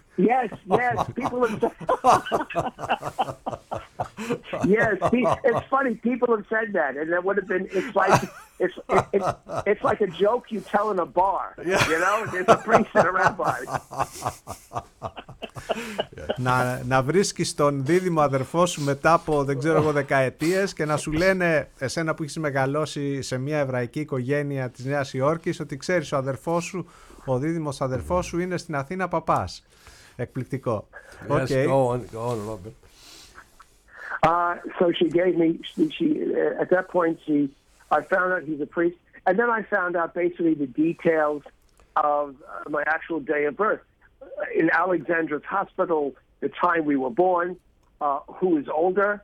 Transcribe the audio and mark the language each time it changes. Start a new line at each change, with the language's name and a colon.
English: Yes, yes, people have said. Yes, it's funny. People have said that, and that would have been. It's like a joke you tell in a bar. Yeah. You know, there's a priest and a rabbi.
Greek: Να βρίσκεις τον δίδυμο αδερφό σου μετά από δεν ξέρω εγώ δεκαετίες και να σου λένε εσένα που έχεις μεγαλώσει σε μια εβραϊκή οικογένεια της Νέας Υόρκης ότι ξέρεις ο αδερφός σου, ο δίδυμος αδερφός σου είναι στην Αθήνα παπάς. Εκπληκτικό.
English: Yes, okay. go on, Robert. So she gave me, at that point I found out he's a priest and then I found out basically the details of my actual day of birth. In Alexandra's hospital, the time we were born, who is older?